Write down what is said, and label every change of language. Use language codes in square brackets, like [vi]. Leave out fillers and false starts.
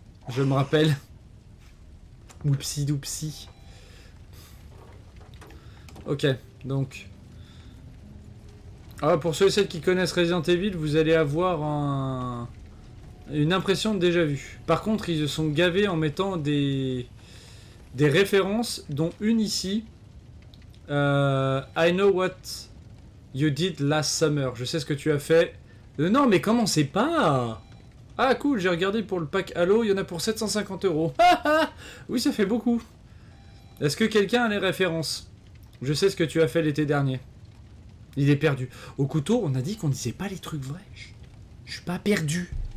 [fr] Je me rappelle. Oupsi doupsi. Ok, donc. Alors pour ceux et celles qui connaissent Resident Evil, vous allez avoir une impression de déjà vu. Par contre, ils se sont gavés en mettant des références, dont une ici. [en] I know what you did last summer. [fr] Je sais ce que tu as fait. Non, mais comment c'est pas? Ah cool, j'ai regardé pour le pack Halo, il y en a pour 750 euros. Oui, ça fait beaucoup. Est-ce que quelqu'un a les références? Je sais ce que tu as fait l'été dernier. Il est perdu. Au couteau, on a dit qu'on disait pas les trucs vrais. Je suis pas perdu.